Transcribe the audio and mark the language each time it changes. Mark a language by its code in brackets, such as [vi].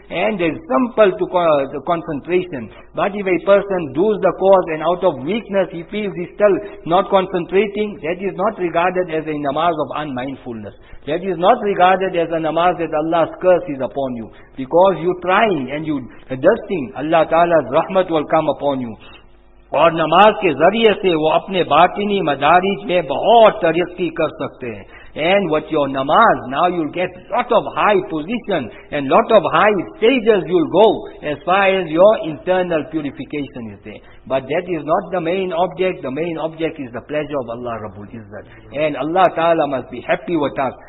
[en] And it's simple to the concentration. But if a person does the course and out of weakness he feels he's still not concentrating, that is not regarded as a namaz of unmindfulness. That is not regarded as a namaz that Allah's curse is upon you. Because you're trying and you're dusting, Allah Ta'ala's rahmat will come upon you. [ur] اور نماز کے ذریعے سے وہ اپنے باطنی مدارج میں بہت ترقی کر سکتے ہیں. [en] And with your namaz, now you'll get lot of high position and lot of high stages you'll go as far as your internal purification is there. But that is not the main object. The main object is the pleasure of Allah Rabbul Izzat. And Allah Ta'ala must be happy with us.